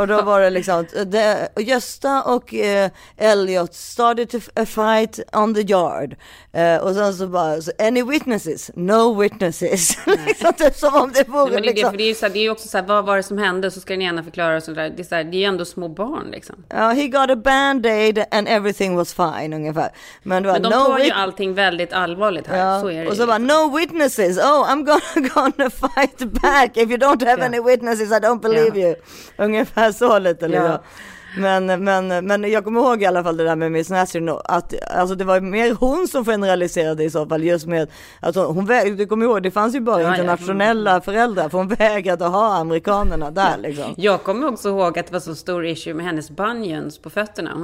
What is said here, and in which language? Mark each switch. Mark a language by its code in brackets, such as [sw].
[sv] Och då var det liksom Gösta och Elliot [en] started to fight on the yard. [sv] Och sen så bara så, [en] any witnesses? No witnesses. [sv] Liksom, typ som om det vore liksom. För det är ju, såhär, det är ju också såhär, vad var det som hände? Så ska ni gärna förklara och sådär. Det är, såhär, det är ju ändå små barn liksom. [en] He got a band-aid and everything was fine, [sv] ungefär. Men, bara, men de no tar ju allting väldigt allvarligt här, så är det. Och så bara, [en] no witnesses, oh, I'm gonna fight back. If you don't have any witnesses, I don't believe you. [sv] Ungefär så lite. Men jag kommer ihåg i alla fall det där med Miss Nasty, att alltså det var mer hon som generaliserade i så fall, just med att hon vägrade, kommer ihåg, det fanns ju bara internationella föräldrar, för hon vägrade att ha amerikanerna där liksom. Jag kommer också ihåg att det var så stor issue med hennes bunions på fötterna.